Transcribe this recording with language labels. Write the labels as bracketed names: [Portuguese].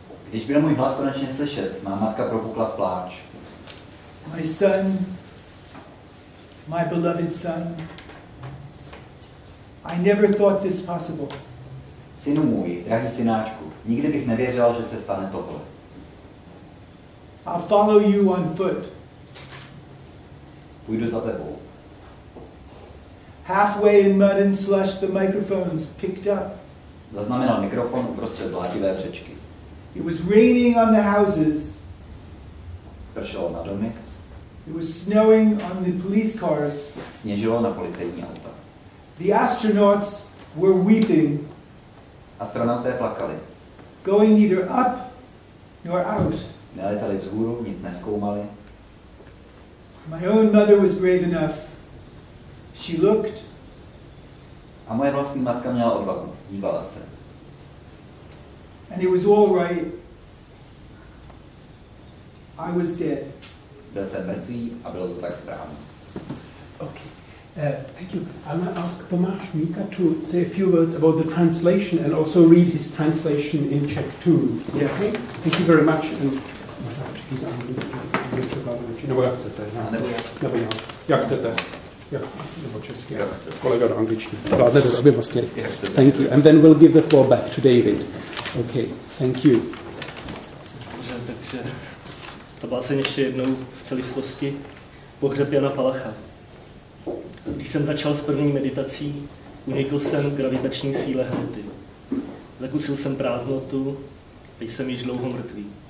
[Czech] Když byl můj hlas konečně slyšet, má matka propukla v pláč. [English] My son, my beloved son, I never thought this possible. [Czech] Synu můj, drahý synáčku, nikdy bych nevěřil, že se stane tohle. [English] I'll follow you on foot. [Czech] Půjdu za tebou. [English] Halfway in mud and slush, the microphones picked up. [Czech] Zaznamenal mikrofon uprostřed blátivé břečky. [English] It was raining on the houses. [Czech] Pršelo na domy. [English] It was snowing on the police cars. [Czech] Sněžilo na policejní auta. [English] The astronauts were weeping. [Czech] Astronauté plakali. [English] Going neither up nor out. [Czech] Nelétali vzhůru, nic neskoumali. [English] My own mother was brave enough. She looked. [Czech] A moje vlastní matka měla odvahu. Dívala se. [English] And it was all right. I was dead. [Czech] Byl jsem mrtvý a bylo to tak správně. [English] Okay. Thank you. I'm going to ask Tomáš Míka to say a few words about the translation and also read his translation in Czech too. Yes. Okay. Thank you very much. And thank you. And then we'll give the floor back to David. Okay, thank you. [Czech] Ta báseň ještě jednou v celistvosti. Pohřeb Jana Palacha. Když jsem začal s první meditací, unikl jsem gravitační síle hmoty. Zakusil jsem prázdnotu a jsem již dlouho mrtvý.